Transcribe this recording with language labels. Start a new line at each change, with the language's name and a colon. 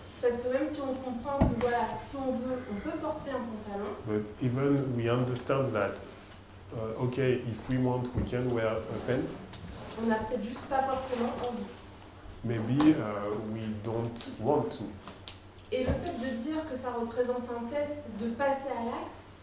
French: Parce que même si on comprend que voilà, si on veut, on peut porter un pantalon.
English: But even we understand that okay, if we want, we can wear pants.
French: On n'a peut-être juste pas forcément envie.
English: Maybe we don't want to.
French: Et le fait de dire que ça représente un test de passer à l'acte.